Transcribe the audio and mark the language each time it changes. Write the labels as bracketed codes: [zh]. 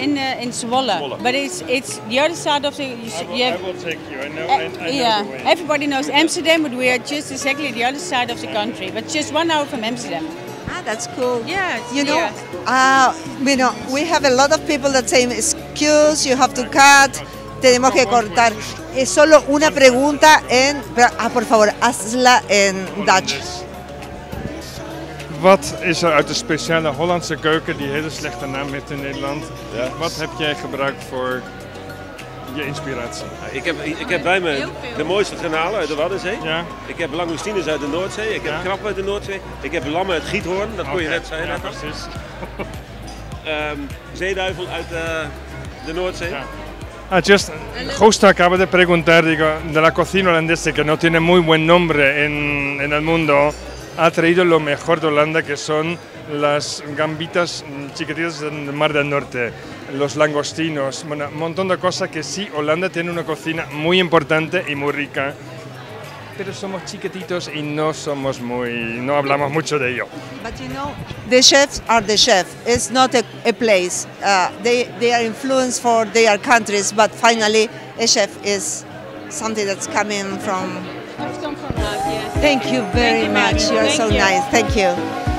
[en] In Zwolle. But it's the other side of the... I will take you. Everybody knows Amsterdam, but we are just exactly the other side of the country. But just 1 hour from Amsterdam. Ah, that's cool. Yeah, you know, we have a lot of people that say, excuse, you have to cut, [es] tenemos que cortar. Es solo una pregunta en, por favor, hazla en Dutch. [nl] Wat is er uit de speciale Hollandse keuken die hele slechte naam heeft in Nederland? Ja. Wat heb jij gebruikt voor je inspiratie? Ik heb bij me de mooiste garnalen uit de Waddenzee. Ja. Ik heb langoustines uit de Noordzee. Ik heb krab uit de Noordzee. Ik heb lammen uit Giethoorn. Dat kon je net zeggen. Ja, precies. zeeduivel uit de Noordzee. Ja. [es] Ah, just, justo acabo de preguntar, digo, de la cocina holandesa que no tiene muy buen nombre en el mundo, ha traído lo mejor de Holanda, que son las gambitas chiquititas del Mar del Norte, los langostinos, bueno, un montón de cosas que sí, Holanda tiene una cocina muy importante y muy rica, pero somos chiquititos y no hablamos mucho de ello. [en] But you know, the chefs are the chefs. It's not a place. They are influenced for their countries, but finally a chef is something that's coming from. I've come from that, yes. Thank you very much. You're so nice. Thank you.